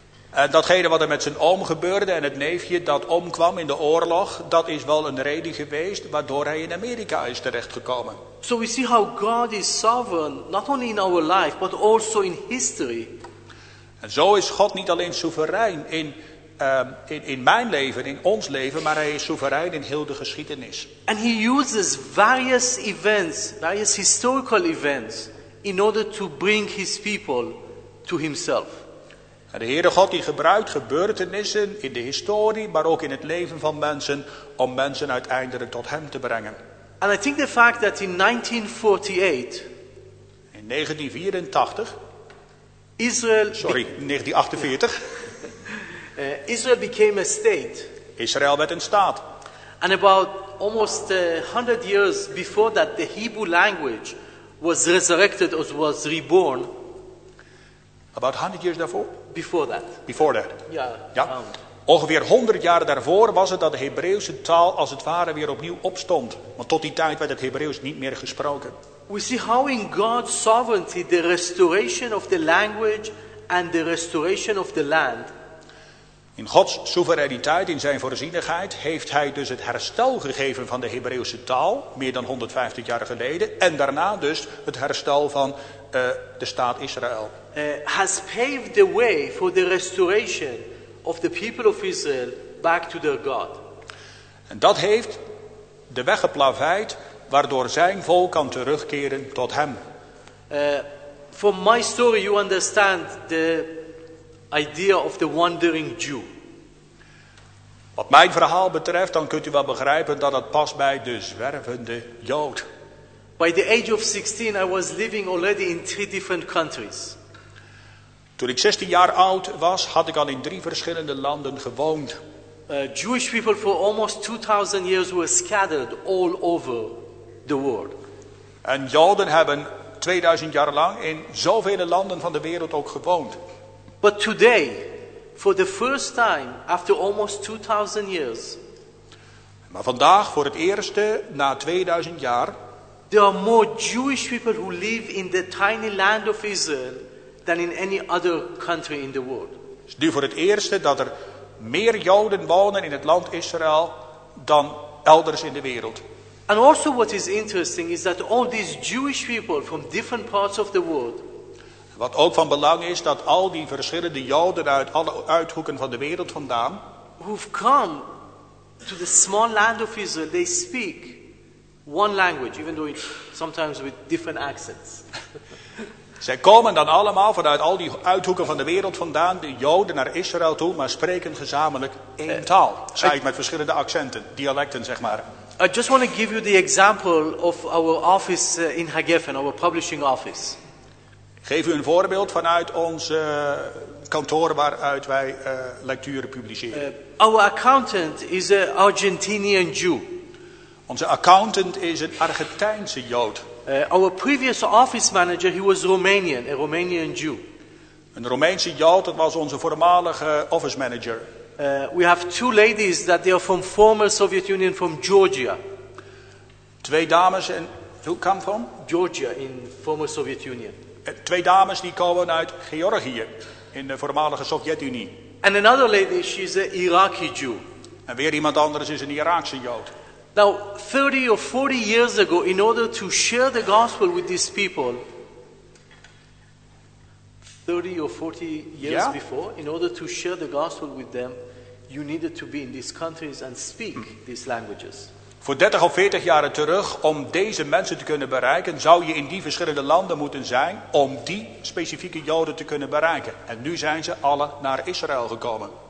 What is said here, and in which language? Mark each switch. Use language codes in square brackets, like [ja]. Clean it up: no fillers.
[nl] En datgene wat er met zijn oom gebeurde en het neefje dat omkwam in de oorlog, dat is wel een reden geweest waardoor hij in Amerika is terechtgekomen. [en] So we see how God is sovereign, not only in our life, but also in history. [nl] En zo is God niet alleen soeverein in mijn leven, in ons leven, maar hij is soeverein in heel de geschiedenis. [en] And he uses various events, various historical events, in order to bring his people to himself. [nl] En de Heere God die gebruikt gebeurtenissen in de historie, maar ook in het leven van mensen, om mensen uiteindelijk tot hem te brengen. [en] And I think the fact that in 1948, in 1948. Israel became a state. [nl] Israël werd een staat. [en] And about almost 100 years before that, the Hebrew language was resurrected or was reborn. About 100 years [nl] daarvoor? [en] Before that. Before that. Yeah. [nl] Ja. Ongeveer 100 jaar daarvoor was het dat de Hebreeuwse taal als het ware weer opnieuw opstond. Want tot die tijd werd het Hebreeuws niet meer gesproken. [en] We see how in God's sovereignty the restoration of the language and the restoration of the land. [nl] In Gods soevereiniteit, in zijn voorzienigheid, heeft hij dus het herstel gegeven van de Hebreeuwse taal, meer dan 150 jaar geleden, en daarna dus het herstel van de staat Israël. [en] Has paved the way for the restoration of the people of Israel back to their God. [nl] En dat heeft de weg geplaveid waardoor zijn volk kan terugkeren tot hem. [en] From my story you understand the idea of the wandering Jew. [nl] Wat mijn verhaal betreft, dan kunt u wel begrijpen dat het past bij de zwervende Jood. [en] By the age of 16, I was living already in 3 different countries. [nl] Toen ik 16 jaar oud was, had ik al in 3 verschillende landen gewoond. [en] Jewish people for almost 2000 years were scattered all over the world. [nl] En Joden hebben 2000 jaar lang in zoveel landen van de wereld ook gewoond. [en] But today, for the first time after almost 2000 years. [nl] Maar vandaag voor het eerste na 2000 jaar. [en] There are more Jewish people who live in the tiny land of Israel than in any other country in the world. [nl] Is nu voor het eerste dat er meer Joden wonen in het land Israël dan elders in de wereld. [en] And also what is interesting is that all these Jewish people from different parts of the world. [nl] Wat ook van belang is dat al die verschillende Joden uit alle uithoeken van de wereld vandaan. [en] Who've come to the small land of Israel, they speak one language, even though it's sometimes with different accents. [nl] Zij komen dan allemaal vanuit al die uithoeken van de wereld vandaan, de Joden naar Israël toe, maar spreken gezamenlijk één taal. Zij met verschillende accenten, dialecten zeg maar. [en] I just want to give you the example of our office in Hagefen, our publishing office. [nl] Geef u een voorbeeld vanuit ons kantoor waaruit wij lecturen publiceren. [en] Our accountant is an Argentinian Jew. [nl] Onze accountant is een Argentijnse Jood. [en] Our previous office manager, he was Romanian, a Romanian Jew. [nl] Een Romeinse Jood, dat was onze voormalige office manager. [en] We have two ladies that they are from former Soviet Union, from Georgia. [nl] Twee dames en [en] who come from? Georgia in former Soviet Union. [nl] Twee dames die komen uit Georgië in de voormalige Sovjet-Unie. [en] And another lady, she's an Iraqi Jew. [nl] En weer iemand anders is een Iraakse Jood. [en] Now, 30 or 40 years ago, in order to share the gospel with these people, 30 or 40 years before, in order to share the gospel with them, you needed to be in these countries and speak these languages. [nl] Voor 30 of 40 jaren terug, om deze mensen te kunnen bereiken, zou je in die verschillende landen moeten zijn om die specifieke Joden te kunnen bereiken. En nu zijn ze alle naar Israël gekomen.